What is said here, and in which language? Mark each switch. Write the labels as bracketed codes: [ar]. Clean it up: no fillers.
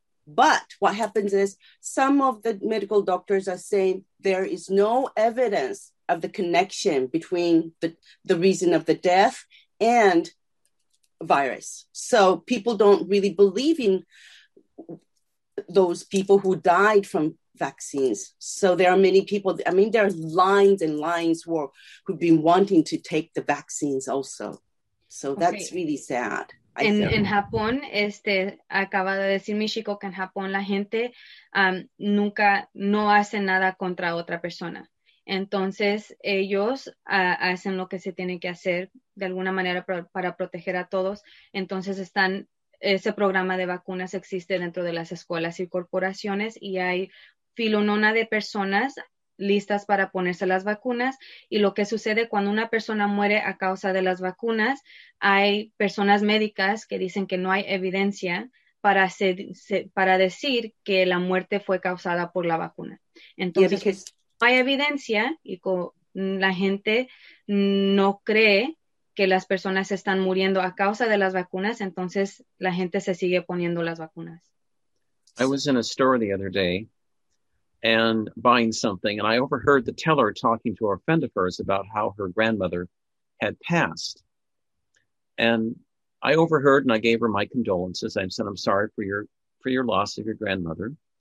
[en] But what happens is some of the medical doctors are saying there is no evidence of the connection between the reason of the death and virus. So people don't really believe in those people who died from vaccines. So there are many people, I mean, there are lines and lines who've been wanting to take the vaccines also. So that's okay. Really sad. [es] En Japón, acaba de decir Michiko que en Japón la gente nunca, no hace nada contra otra persona. Entonces ellos hacen lo que se tiene que hacer de alguna manera para proteger a todos. Entonces están, ese programa de vacunas existe dentro de las escuelas y corporaciones y hay filonona de personas listas para ponerse las vacunas. Y lo que sucede cuando una persona muere a causa de las vacunas, hay personas médicas que dicen que no hay evidencia para decir que la muerte fue causada por la vacuna. Entonces, no hay evidencia y la gente no cree que las personas están muriendo a causa de las vacunas, entonces la gente se sigue poniendo las vacunas. [en] I was in a store the other day and buying something, and I overheard the teller talking to a friend of hers about how her grandmother had passed. And I overheard and I gave her my condolences. I said, I'm sorry for your loss of your grandmother.